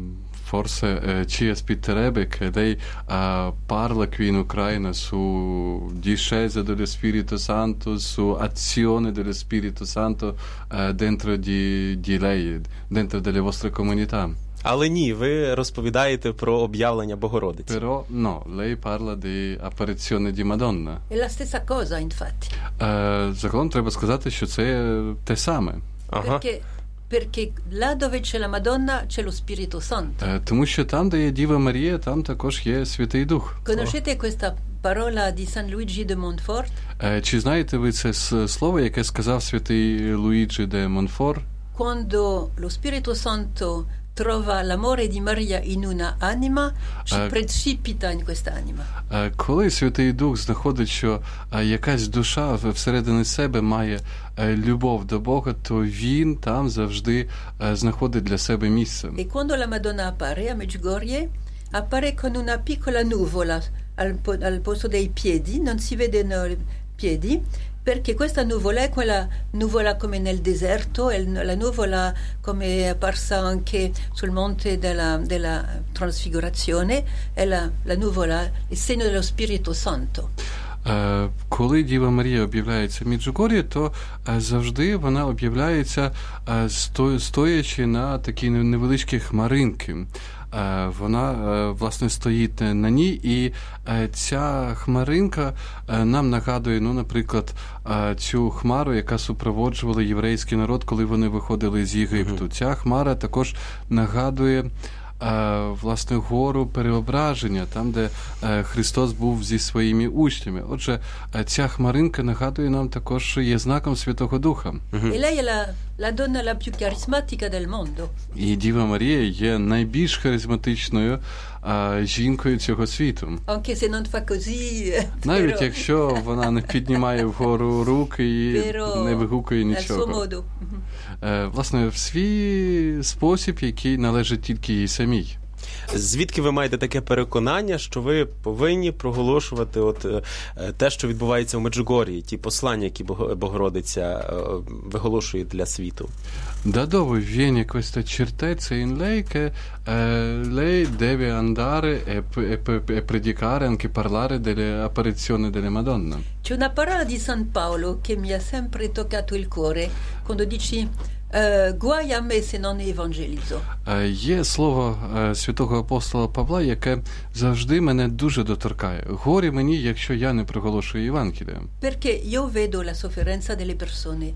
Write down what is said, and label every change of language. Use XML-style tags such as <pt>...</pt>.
<it>Forse ci aspetterebbe che lei parla qui in Ucraina su discesa dello Spirito Santo, su azione dello Spirito Santo dentro di lei, dentro delle vostre comunità.</it> <uk>Але ні, ви розповідаєте про об'явлення Богородиці.</uk> <it>Però no, lei parla di apparizione di Madonna. È la stessa cosa, infatti.</it> <uk>Загалом треба сказати, що це те саме. Ага.</uk> <it>Perché là dove c'è la Madonna c'è lo Spirito Santo.</it> <uk>Тому що там, де є Діва Марія, там також є Святий Дух.</uk> <it>Conoscete questa parola di San Luigi de Montfort?</it> <uk>Чи знаєте ви це слово, яке сказав Святий Луїджі де Монфор?</uk> <it>Quando lo Spirito Santo trova l'amore di Maria in una anima, ci precipita in questa anima.</it> <uk>Коли Святий Дух знаходить, що якась душа всередині себе має любов до Бога, то він там завжди знаходить для себе місце.</uk> <it>E quando la Madonna appare a Međugorje, appare con una piccola nuvola al posto dei piedi, non si vedono i piedi, perché questa nuvola è quella nuvola come nel deserto, è la nuvola come è apparsa anche sul monte della Trasfigurazione, è la nuvola, il segno dello Spirito Santo.</it> <uk>Коли Діва Марія об'являється в Міджугор'ї, то завжди вона об'являється стоячи на такій невеличкій хмаринці. Вона, власне, стоїть на ній, і ця хмаринка нам нагадує, ну, наприклад, цю хмару, яка супроводжувала єврейський народ, коли вони виходили з Єгипту. Ця хмара також нагадує, власне, гору Переображення, там, де Христос був зі своїми учнями. Отже, ця хмаринка нагадує нам також, що є знаком Святого Духа.</uk> <it>І лей є la donna la più carismatica del mondo.</it> <uk>І Діва Марія є найбільш харизматичною жінкою цього світу.</uk> <it>Anche se non fa così,</it> <uk>навіть якщо вона не піднімає вгору руки і не вигукує нічого. Власне, в свій спосіб, який належить тільки їй самій. Звідки ви маєте таке переконання, що ви повинні проголошувати от те, що відбувається в Меджугорі, ті послання, які Богородиця виголошує для світу?</uk> <it>Dadove viene questa certezza in lei che lei deve andare e predicare, anche parlare delle apparizioni delle Madonna? C'è una parola di San Paolo che mi ha sempre toccato il cuore quando dici guai a me se non evangelizzo.</it> <uk>Є слово святого апостола Павла, яке завжди мене дуже доторкає. Горе мені, якщо я не проголошую Євангелія.</uk> <it>Perché io vedo la sofferenza delle persone.</it>